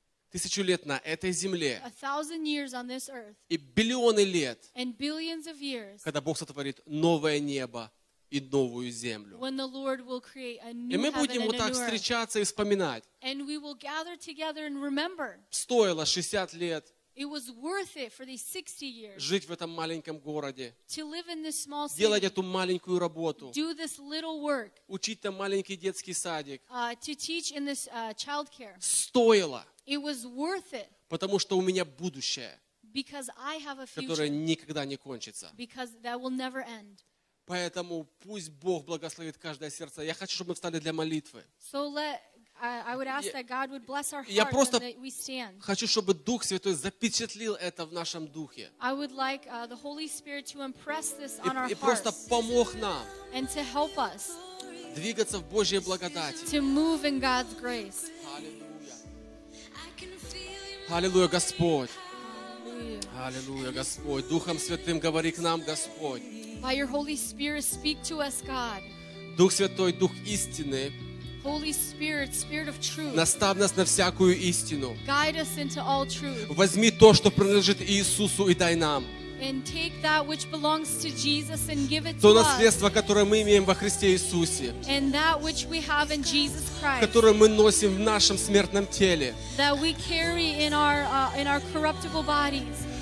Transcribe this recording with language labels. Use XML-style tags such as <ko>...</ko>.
<ru>Тысячу лет на этой земле</ru> <en>earth,</en> <ru>и биллионы лет, когда Бог сотворит новое небо, и новую землю.</ru> <en>When the Lord will create a new</en> <ru>и мы будем вот так встречаться и вспоминать.</ru> <en>And we will gather together and remember.</en> <ru>Стоило 60 лет</ru> <en>it was worth it for these 60 years</en> <ru>жить в этом маленьком городе,</ru> <en>to live in this small city,</en> <ru>делать эту маленькую работу,</ru> <en>do this little work,</en> <ru>учить там маленький детский садик.</ru> <en>To teach in this, childcare.</en> <ru>Стоило.</ru> <en>It was worth it.</en> <ru>Потому что у меня будущее,</ru> <en>because I have a future,</en> <ru>которое никогда не кончится.</ru> <en>Because that will never end.</en> <ru>Поэтому пусть Бог благословит каждое сердце. Я хочу, чтобы мы встали для молитвы.</ru> <en>So let, I would ask that God would bless our hearts.</en> <ru>Я просто</ru> <en>and that we stand.</en> <ru>Хочу, чтобы Дух Святой запечатлил это в нашем духе.</ru> <en>I would like the Holy Spirit to impress this on our hearts.</en> <ru>И просто помог нам.</ru> <en>And to help us.</en> <ru>Двигаться в Божьей благодати.</ru> <en>To move in God's grace.</en> <ru>Аллилуйя. Аллилуйя, Господь. Аллилуйя, Господь. Духом Святым говори к нам, Господь.</ru> <en>By your Holy Spirit, speak to us, God.</en> <ru>Дух Святой, Дух истины.</ru> <en>Holy Spirit, Spirit of truth.</en> <ru>Наставь нас на всякую истину.</ru> <en>Guide us into all truth.</en> <ru>Возьми то, что принадлежит Иисусу, и дай нам.</ru> <en>And take that which belongs to Jesus and give it to us.</en> <ru>То наследство, которое мы имеем во Христе Иисусе.</ru> <en>And that which we have in Jesus Christ.</en> <ru>Которое мы носим в нашем смертном теле.</ru> <en>That we carry in our corruptible bodies.</en>